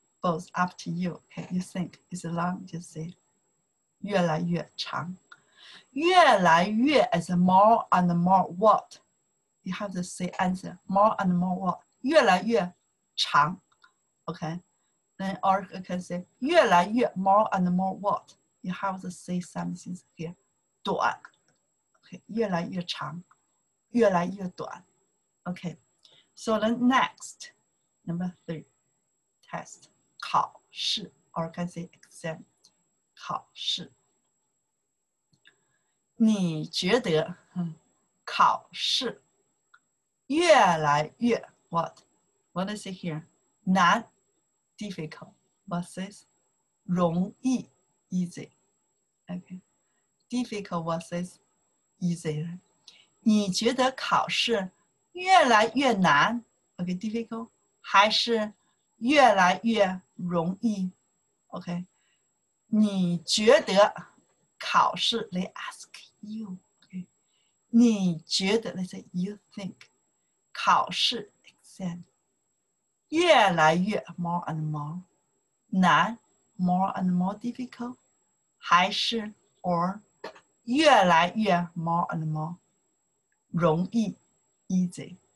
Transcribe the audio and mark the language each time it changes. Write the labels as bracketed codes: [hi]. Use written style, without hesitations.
[en] Both up to you. Okay, you think it's long, just say [zh] 越来越长越来越 [en] is more and more what? You have to say answer. More and more what? [zh] 越来越长 [en] Okay. Then or you can say 越来越 more and more what? You have to say something here. [zh] 短 Okay. 越来越长越来越短 [en] Okay. So then next, number three. Test, 考试 or can say exam, 考试。 [zh] 你觉得考试越来越 what? [en] What is it here? 难 difficult versus 容易 easy. Okay, difficult versus easy. [zh] 你觉得考试越来越难 [en] okay, difficult [zh] 还是越来越容易 ，OK？你觉得考试 [en] ？They ask you，OK？、Okay? 你觉得 ？They say you think 考试 exam 越来越 more and more 难 ，more and more difficult， 还是 or 越来越 more and more 容易 ，easy？